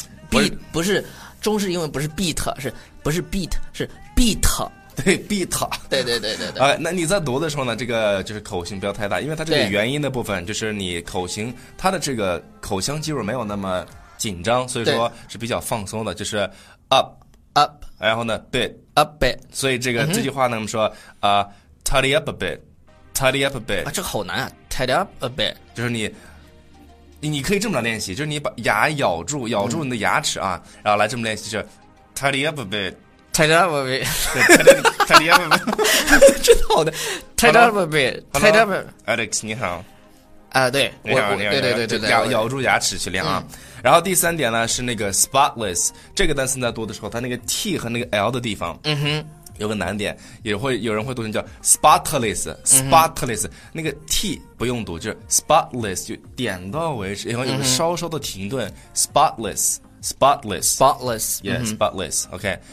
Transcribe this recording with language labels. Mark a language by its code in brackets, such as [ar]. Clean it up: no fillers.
[zh] beat 不是中式英文，不是 beat， 是不是 beat， 是 beat，对 beat，对对对对对。那你在读的时候呢，这个就是口型不要太大，因为它这个元音的部分就是你口型，它的这个口腔肌肉没有那么紧张，所以说是比较放松的，就是 up up，然后呢 bit [en] up bit， [zh] 所以这个、这句话呢，我们说 [en] tidy up a bit， tidy up a bit， [zh] 啊，这好难啊， [en] tidy up a bit， [zh] 就是你可以这么来练习，就是你把牙咬住，咬住你的牙齿啊，然后来这么练习，就 [en] tidy up a bit， tidy up a bit， tidy up a bit， [zh] 真好的， [en] tidy up a bit， tidy up， [zh] Alex 你好，啊，对，你好，对对对对对，咬住牙齿去练啊。然后第三点呢是那个 spotless 这个单词在读的时候，它那个 t 和那个 l 的地方，有个难点，也会有人会读成叫 spotless，spotless， 那个 t 不用读，就是 spotless， 就点到为止，然后有个稍稍的停顿 ，spotless，spotless，yeah，spotless，OK、okay。